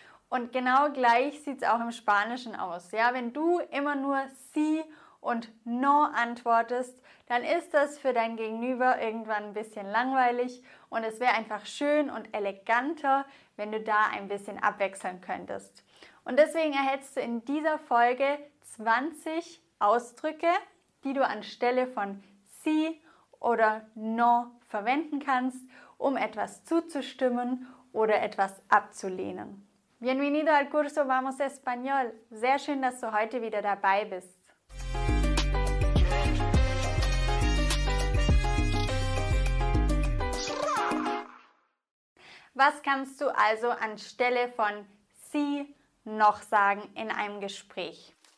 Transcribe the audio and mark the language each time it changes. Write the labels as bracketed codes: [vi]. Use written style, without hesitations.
[de] Und genau gleich sieht es auch im Spanischen aus. Ja, wenn du immer nur sí und no antwortest, dann ist das für dein Gegenüber irgendwann ein bisschen langweilig und es wäre einfach schön und eleganter, wenn du da ein bisschen abwechseln könntest. Und deswegen erhältst du in dieser Folge 20 Ausdrücke, die du anstelle von sí oder no verwenden kannst, um etwas zuzustimmen oder etwas abzulehnen. [es] Bienvenido al curso Vamos Español. [de] Sehr schön, dass du heute wieder dabei bist. Was kannst du also anstelle von sí noch sagen in einem Gespräch?